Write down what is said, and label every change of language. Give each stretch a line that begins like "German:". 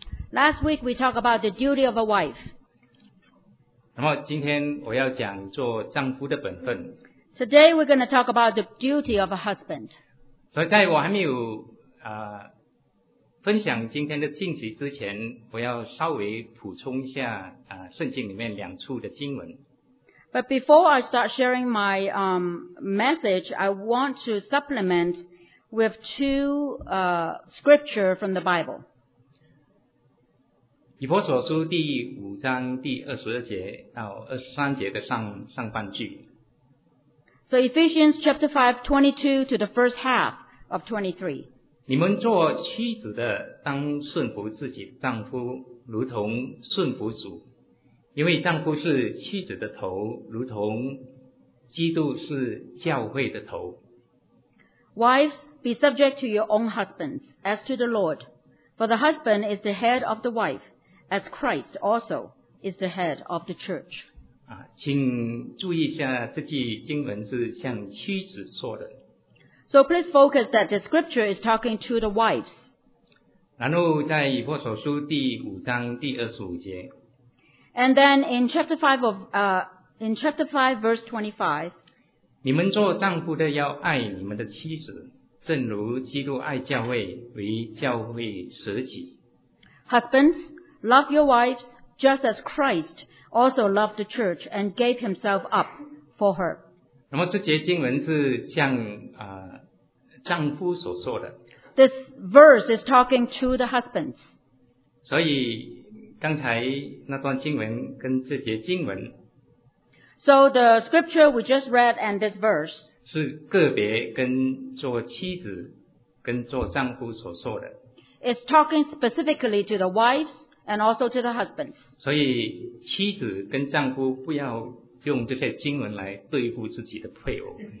English: Last week we talked about the duty of a wife.
Chinese: 那么今天我要讲做丈夫的本分。
English: Today we're going to talk about the duty of a husband.
Chinese: 所以在我还没有分享今天的信息之前，我要稍微补充一下圣经里面两处的经文。
English: But before I start sharing my message, I want to supplement with two scripture from the Bible.
Chinese: 以弗所书第五章第二十二节到二十三节的上半句。
English: So Ephesians chapter 5, 22 to the first half of 23.
Chinese: 你们做妻子的，当顺服自己的丈夫，如同顺服主。因为丈夫是妻子的头，如同基督是教会的头。
English: Wives, be subject to your own husbands, as to the Lord. For the husband is the head of the wife, as Christ also is the head of the church.
Chinese: 请注意一下，这句经文是向妻子说的。
English: So please focus that the scripture is talking to the wives.
Chinese: 然后在以弗所书第五章第二十五节。
English: And then in chapter 5 of, in chapter 5 verse 25,
Chinese: 你们做丈夫的要爱你们的妻子，正如基督爱教会，为教会舍己。
English: Husbands, love your wives just as Christ also loved the church and gave himself up for her.
Chinese: 那么这节经文是向丈夫所说的。
English: This verse is talking to the husbands.
Chinese: 所以刚才那段经文跟这节经文
English: ，So the scripture we just read and this verse
Chinese: 是个别跟做妻子跟做丈夫所说的。
English: It's talking specifically to the wives and also to the husbands.
Chinese: 所以妻子跟丈夫不要用这些经文来对付自己的配偶。